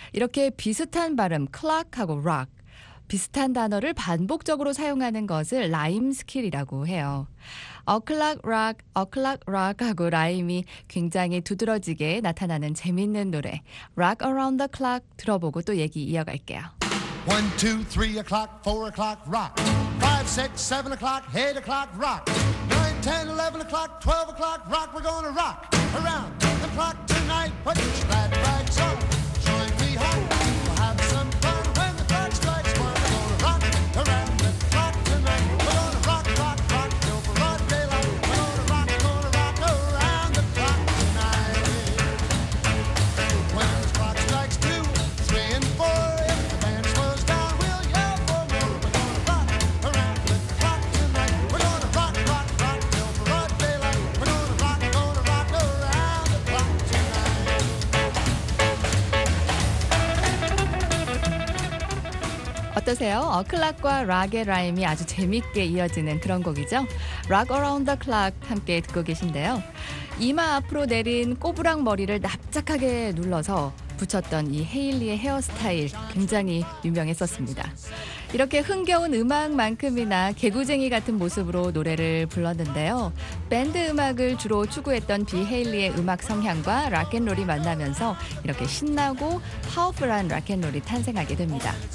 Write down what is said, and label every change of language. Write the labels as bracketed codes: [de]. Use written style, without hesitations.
[ko] 이렇게 비슷한 발음 clock하고 rock 비슷한 단어를 반복적으로 사용하는 것을 라임 스킬이라고 해요. A clock rock 하고 라임이 굉장히 두드러지게 나타나는 재밌는 노래 Rock Around the Clock 들어보고 또 얘기 이어갈게요. [en] 1, 2, 3 o'clock, 4 o'clock, rock 5, 6, 7 o'clock, 8 o'clock, rock 9, 10, 11 o'clock, 12 o'clock, rock We're gonna rock around the clock tonight Put your glad bags on Join me home, we'll have some fun When the clock strikes one We're gonna rock around the clock tonight We're gonna rock, rock, rock Till broad daylight We're gonna rock around the clock tonight When the clock strikes two, three and four If the band slows down, we'll yell for more We're gonna rock around the clock tonight We're gonna rock, rock, rock Till broad daylight We're gonna rock around the clock tonight [ko] 어떠세요? 어클락과 락의 라임이 아주 재밌게 이어지는 그런 곡이죠? Rock Around the Clock 함께 듣고 계신데요. 이마 앞으로 내린 꼬부랑 머리를 납작하게 눌러서 붙였던 이 헤일리의 헤어스타일 굉장히 유명했었습니다. 이렇게 흥겨운 음악만큼이나 개구쟁이 같은 모습으로 노래를 불렀는데요. 밴드 음악을 주로 추구했던 비 헤일리의 음악 성향과 락앤롤이 만나면서 이렇게 신나고 파워풀한 락앤롤이 탄생하게 됩니다.